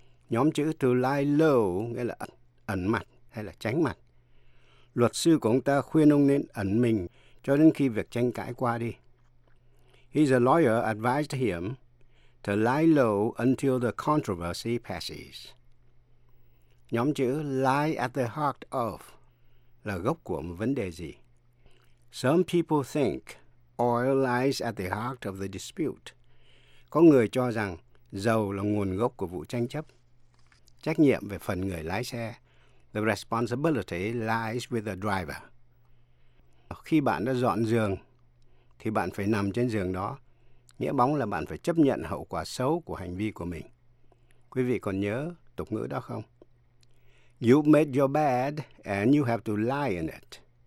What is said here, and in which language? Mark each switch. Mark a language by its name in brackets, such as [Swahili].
[Vietnamese] Nhóm chữ [English] to lie low [Vietnamese] nghĩa là ẩn mặt hay là tránh mặt. Luật sư của ông ta khuyên ông nên ẩn mình cho đến khi việc tranh cãi qua đi. [English] His lawyer advised him to lie low until the controversy passes. [Vietnamese] Nhóm chữ [English] lie at the heart of [Vietnamese] là gốc của một vấn đề gì? [English] Some people think oil lies at the heart of the dispute. [Vietnamese] Có người cho rằng dầu là nguồn gốc của vụ tranh chấp. Trách nhiệm về phần người lái xe, [English] the responsibility lies with the driver. [Vietnamese] Khi bạn đã dọn giường, thì bạn phải nằm trên giường đó. Nghĩa bóng là bạn phải chấp nhận hậu quả xấu của hành vi của mình. Quý vị còn nhớ tục ngữ đó không? [English] You've made your bed and you have to lie in it.